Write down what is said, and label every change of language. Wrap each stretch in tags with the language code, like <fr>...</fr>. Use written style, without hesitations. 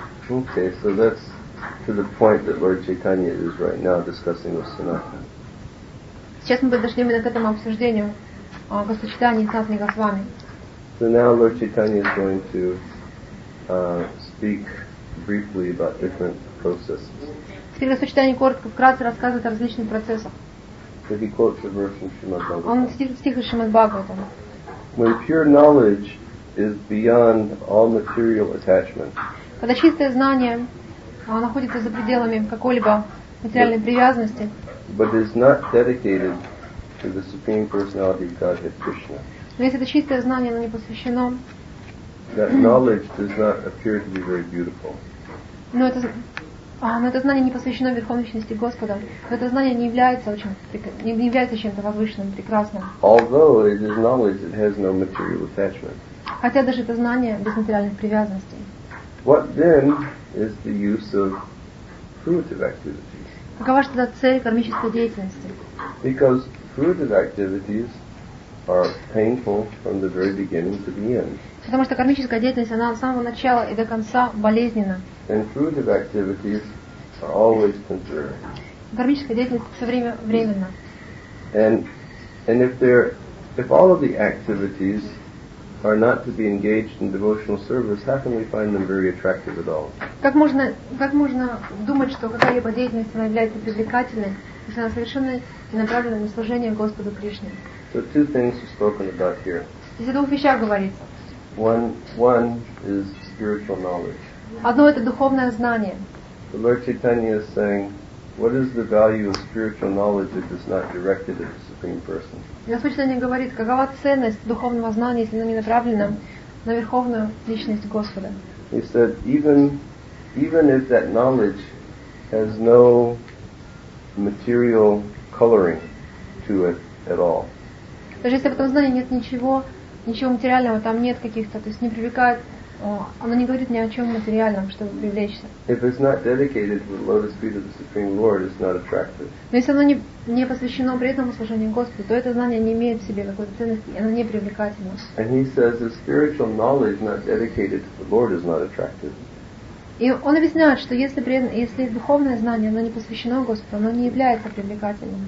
<en>Okay, so that's to the point that Lord Chaitanya is right now discussing with Sanatana.</en> <ru>Сейчас мы подошли именно к этому обсуждению Господа Читания и Санатана Госвами.</ru> <en>So now Lord Chaitanya is going to speak briefly about different processes.</en> <ru>Теперь Господь Читания коротко, вкратце рассказывает о различных процессах.</ru> <en>So he quotes a verse from Shrimad Bhagavatam.</en> <ru>Он цитирует стих из Шримад Бхагаватам.</ru> <en>When pure knowledge is beyond all material attachment.</en> <ru>Когда чистое знание находится за пределами какой-либо материальной привязанности.</ru> <en>But is not dedicated to the Supreme Personality of Godhead Krishna.</en> <ru>Но если это чистое знание, оно не посвящено.</ru> <en>That knowledge does not appear to be very beautiful.</en> <ru>Но это знание не посвящено Верховной Личности Господа. Но это знание не является чем-то возвышенным, прекрасным.</ru> <en>Although it is knowledge that has no material attachment.</en> <ru>Хотя даже это знание без материальных привязанностей.</ru> <en>What then is the use of fruitive activities?</en> <ru>Какова же тогда цель кармической деятельности?</ru> <en>Because fruitive activities are painful from the very beginning to the end.</en> <ru>Потому что кармическая деятельность, она с самого начала и до конца болезненна.</ru> <en>And fruitive activities are always temporary.</en> <ru>Кармическая деятельность все время временна.</ru> <en>And if all of the activities are not to be engaged in devotional service, how can we find them very attractive at all?</en> <ru>Как можно думать, что какая-либо деятельность является привлекательной, если она совершенно не направлена на служение Господу Кришне?</ru> <en>So two things are spoken about here.</en> <ru>Здесь о двух вещах говорится.</ru> <en>One is spiritual knowledge.</en> <ru>Одно — это духовное знание.</ru> <en>The Lord Chaitanya is saying, what is the value of spiritual knowledge if it's not directed at the Supreme Person?</en> <ru>Господь Читания говорит, какова ценность духовного знания, если оно не направлено на Верховную Личность Господа?</ru> <en>He said, even if that knowledge has no material coloring to it at all.</en> <ru>Даже если об этом знании нет ничего материального, там нет каких-то, то есть не привлекает, оно не говорит ни о чем материальном, чтобы привлечься.</ru> <en>If it's not dedicated to the lotus feet of the Supreme Lord, it's not attractive.</en> <ru>Но если оно не посвящено преданному служению Господу, то это знание не имеет в себе какой-то ценности, и оно не привлекательно.</ru> <en>And he says the spiritual knowledge not dedicated to the Lord is not attractive.</en> <ru>И он объясняет, что если духовное знание, оно не посвящено Господу, оно не является привлекательным.</ru>